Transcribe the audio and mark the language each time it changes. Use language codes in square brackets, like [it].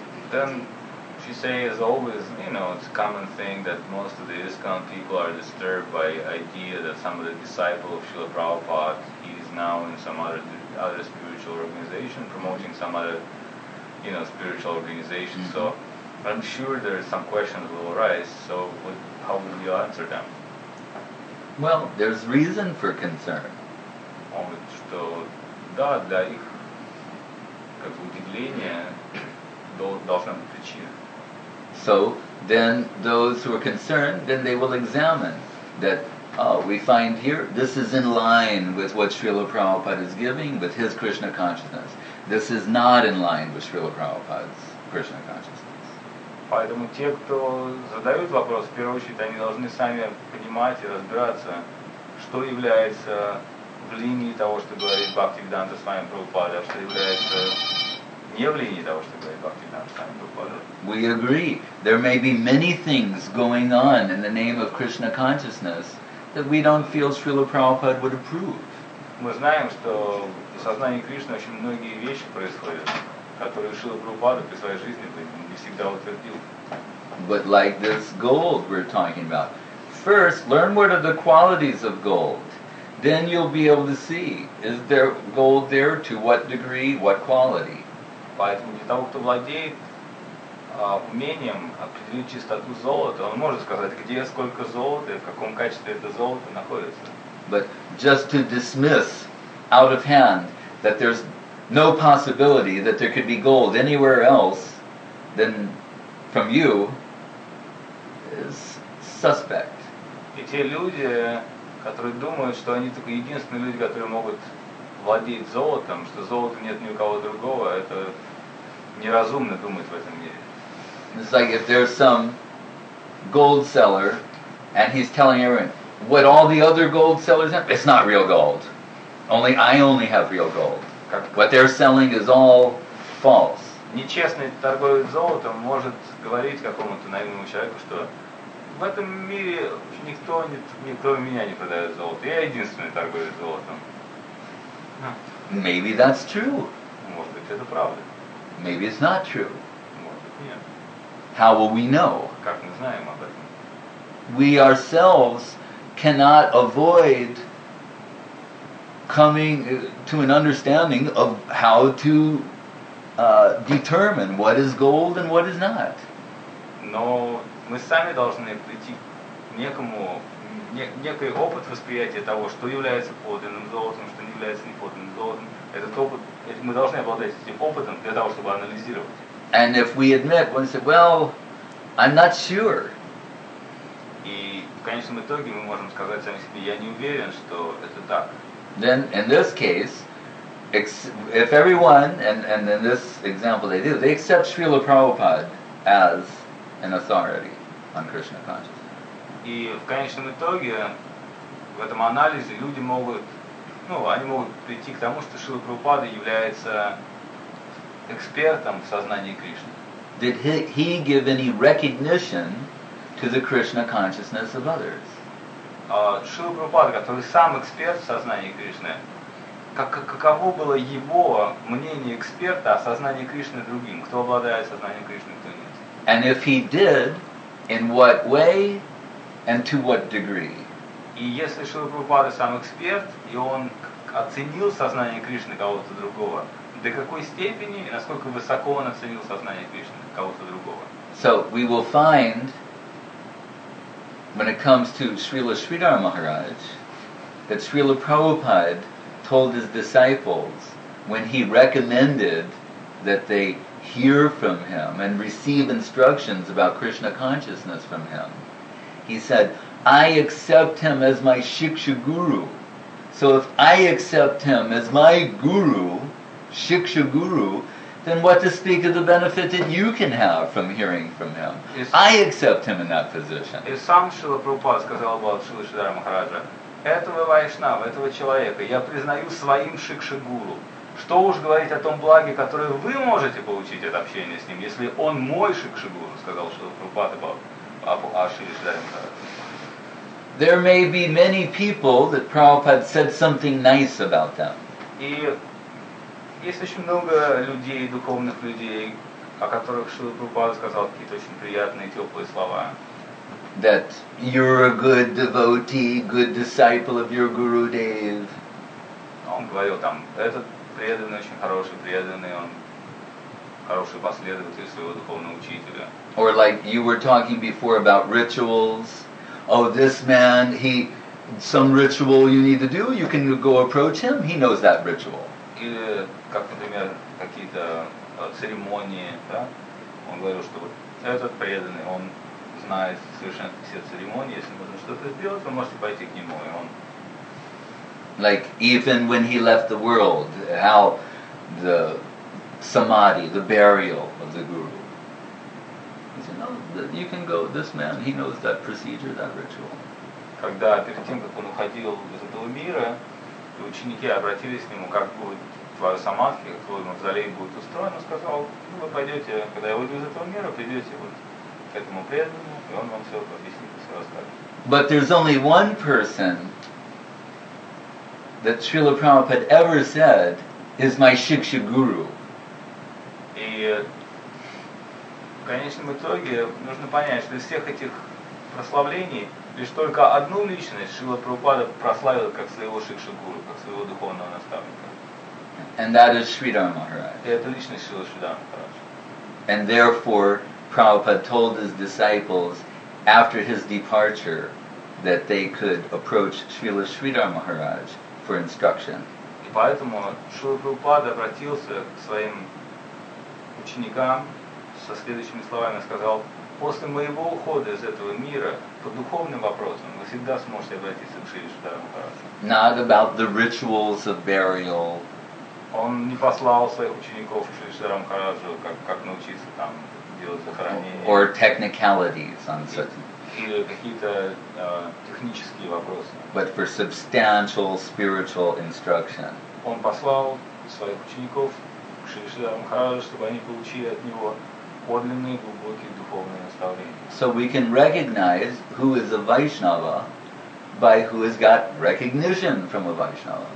[en] Then she says, always, you know, it's a common thing that most of the ISKCON people are disturbed by the idea that some of the disciples of Srila Prabhupada, he is now in some other spiritual organization, promoting some other, you know, spiritual organization. Mm-hmm. So I'm sure there are some questions will arise. So how will you answer them? Well, there's reason for concern. [ru] Он говорит, что да, для их как удивления должна быть причина. [en] So then those who are concerned, then they will examine that we find here, this is in line with what Srila Prabhupada is giving, with his Krishna consciousness. This is not in line with Srila Prabhupada's Krishna consciousness. [ru] Поэтому те, кто задают вопрос, в первую очередь, они должны сами понимать и разбираться, что является в линии того, что говорит Бхактивиданта с вами Прабхупада, что является не в линии того, что говорит Бхактивиданта с вами Прабхупада. [en] We agree. There may be many things going on in the name of Krishna consciousness that we don't feel Srila Prabhupada would approve. [ru] Мы знаем, что в сознании Кришны очень многие вещи происходят, которые Шрила Прабхупада при своей жизни не всегда утвердил. [en] But like this gold we're talking about. First, learn what are the qualities of gold. Then you'll be able to see, is there gold there, to what degree, what quality. [ru] Поэтому для того, кто владеет умением определить чистоту золота, он может сказать, где сколько золота и в каком качестве это золото находится. [en] But just to dismiss out of hand that there's no possibility that there could be gold anywhere else than from you is suspect. [ru] И те люди, которые думают, что они только единственные люди, которые могут владеть золотом, что золота нет ни у кого другого, это неразумно думать в этом мире. [en] It's like if there's some gold seller and he's telling everyone, what all the other gold sellers have, it's not real gold. I only have real gold. What they're selling is all false. [ru] Нечестный торговец золотом может говорить какому-то наивному человеку, что в этом мире никто меня не продает золото. Я единственный торговец золотом. [en] Maybe that's true. [ru] Может быть, это правда. [en] Maybe it's not true. [ru] Может быть, нет. [en] How will we know? [ru] Как мы знаем об этом? [en] We ourselves cannot avoid coming to an understanding of how to determine what is gold and what is not. [ru] Но мы сами должны прийти к некому, некий опыт восприятия того, что является подлинным золотом, что не является неподлинным золотом. Этот опыт, мы должны обладать этим опытом для того, чтобы анализировать. [en] And if we admit, we say, well, I'm not sure. [ru] И в конечном итоге мы можем сказать сами себе, я не уверен, что это так. [en] Then, in this case, if everyone, and in this example they do, they accept Srila Prabhupada as an authority on Krishna consciousness. [ru] И в конечном итоге, в этом анализе, люди могут, ну, они могут прийти к тому, что Шрила Прабхупада является экспертом в сознании Кришны. [en] Did he give any recognition to the Krishna consciousness of others? [ru] Шрила Прабхупада, который сам эксперт в сознании Кришны, каково было его мнение эксперта о сознании Кришны другим? Кто обладает сознанием Кришны, кто нет? [en] And if he did, in what way and to what degree? [ru] И если Шрила Прабхупада сам эксперт, и он оценил сознание Кришны кого-то другого, до какой степени и насколько высоко он оценил сознание Кришны кого-то другого? [en] So we will find, when it comes to Srila Sridhar Maharaj, that Srila Prabhupada told his disciples when he recommended that they hear from him and receive instructions about Krishna consciousness from him, he said, I accept him as my Shiksha Guru. So if I accept him as my Guru, Shiksha Guru, then what to speak of the benefit that you can have from hearing from him? I accept him in that position. [ru] И сам Шрила Прабхупада сказал бы Шрила Шридхара Махараджа, этого вайшнава, этого человека я признаю своим шикшигуру. Что уж говорить о том благе, которое вы можете получить от общения с ним, если он мой шикшигуру, сказал Шрила Прабхупада о Шриле Шридхара Махараджа. [en] There may be many people that Prabhupada said something nice about them. [ru] И есть очень много людей, духовных людей, о которых Шрила Прабхупада сказал какие-то очень приятные, теплые слова. [en] That you're a good devotee, good disciple of your Gurudev. [ru] Он говорил там, этот преданный, очень хороший преданный, он хороший последователь своего духовного учителя. [en] Or like you were talking before about rituals. Oh, this man, he some ritual you need to do, you can go approach him. He knows that ritual. [ru] И как, например, какие-то церемонии, да? Он говорил, что вот этот преданный, он знает совершенно все церемонии. Если нужно что-то сделать, вы можете пойти к нему, и он. [en] Like even when he left the world, how the samadhi, the burial of the guru. He said, no, you can go. This man, he knows that procedure, that ritual. [ru] Когда перед тем, как он уходил из этого мира, ученики обратились к нему, как будет твоя самадхи, как твой мавзолей будет устроен, он сказал, ну, вы пойдете, когда я уйду из этого мира, придете вот к этому преданному, и он вам все объяснит, все расскажет. [en] But there's only one person that Srila Prabhupada ever said is my Shiksha Guru. [ru] И в конечном итоге нужно понять, что из всех этих прославлений лишь только одну личность Шрила Прабхупада прославил как своего шикшагуру, как своего духовного наставника. [en] And that is Sridhar Maharaj. [ru] И это личность Шрила Сридхара Махараджа. [en] And therefore, Prabhupada told his disciples after his departure that they could approach Шрила Сридхара Махарадж for instruction. [ru] И поэтому Шрила Прабхупада обратился к своим ученикам со следующими словами, сказал: после моего ухода из этого мира, по духовным вопросам, вы всегда сможете обратиться к Шри Шридхара Махараджу. [en] Not about the rituals of burial. [ru] Он не послал своих учеников к Шри Шридхара Махараджу, как научиться там делать захоронение. [en] Or technicalities on certain. [ru] Или какие-то технические вопросы. [en] But for substantial spiritual instruction. [ru] Он послал своих учеников к Шри Шридхара Махараджу, чтобы они получили от него подлинные, глубокие духовные наставления. [en] So we can recognize who is a Vaishnava by who has got recognition from a Vaishnava.